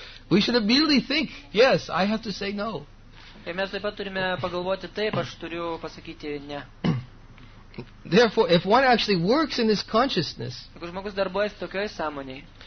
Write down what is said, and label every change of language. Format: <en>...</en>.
<en>We should immediately think, yes, I have to say no.</en> <lt>Ir mes taip pat turime pagalvoti, taip, aš turiu pasakyti ne.</lt> <en>Therefore, if one actually works in this consciousness,</en> <lt>jeigu žmogus darbuojasi tokioje sąmonėje,</lt>